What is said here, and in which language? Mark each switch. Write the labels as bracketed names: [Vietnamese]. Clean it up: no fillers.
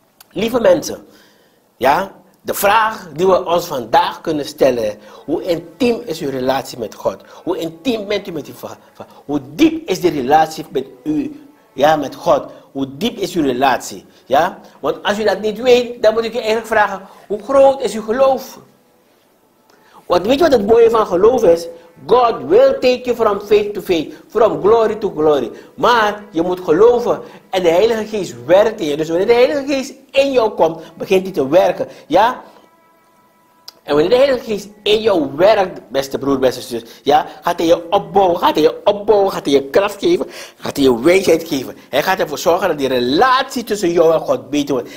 [Dutch] Lieve mensen, ja, de vraag die we ons vandaag kunnen stellen, hoe intiem is uw relatie met God? Hoe intiem bent u met uw vader? Hoe diep is die relatie met u, ja, met God? Hoe diep is uw relatie? Ja, want als u dat niet weet, dan moet ik je eigenlijk vragen, hoe groot is uw geloof? Want weet je wat het mooie van geloof is? [English] God will take you from faith to faith, from glory to glory. [Dutch] Maar je moet geloven en de Heilige Geest werkt in je. Dus wanneer de Heilige Geest in jou komt, begint hij te werken. Ja? En wanneer de Heilige Geest in jou werkt, beste broer, beste zus, ja, gaat hij je opbouwen, gaat hij je opbouwen, gaat hij je kracht geven, gaat hij je wijsheid geven. Hij gaat ervoor zorgen dat die relatie tussen jou en God beter wordt.